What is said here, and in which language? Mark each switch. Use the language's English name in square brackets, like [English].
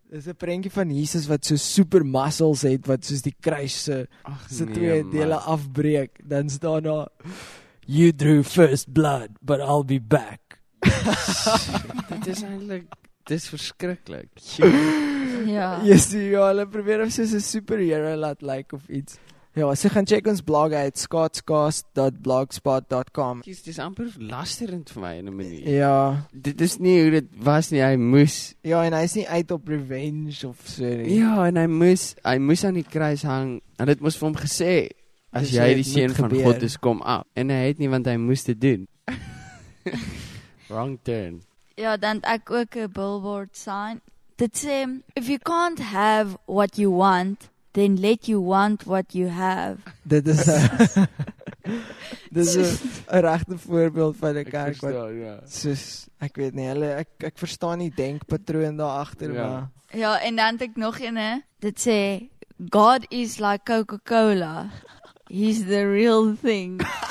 [Afrikaans] Dit is 'n prentjie van Jesus wat so super muscles het, wat soos die kruis se nee, twee dele afbreek. Dan is daar na, [English] you drew first blood, but I'll be back. [Afrikaans] Dit is eintlik, dit is verskriklik. Ja. Yes, ja, hulle probeer om soos 'n superhero laat like of iets. Ja, so gaan check ons blog uit, scottscast.blogspot.com. Dit is amper lasterend vir my in 'n manier. Ja. Dit is nie hoe dit was nie, hy moes. Ja, en hy is nie uit op revenge of so nie. Ja, en hy moes aan die kruis hang, en dit moes vir hom gesê, as dus jy die seun van gebeur. God is, kom af. En hy het nie, want hy moes dit doen. [English] Wrong turn. [Afrikaans] Ja, dan ek ook 'n billboard sign. Dit sê, [English] if you can't have what you want, then let you want what you have. [Afrikaans] Dit is a regte voorbeeld van 'n kerk wat soos, ek weet nie, hulle, ek verstaan nie denkpatroon daar agter, ja. maar. Ja, en dan het ek nog een, dit sê, [English] God is like Coca-Cola. He's the real thing.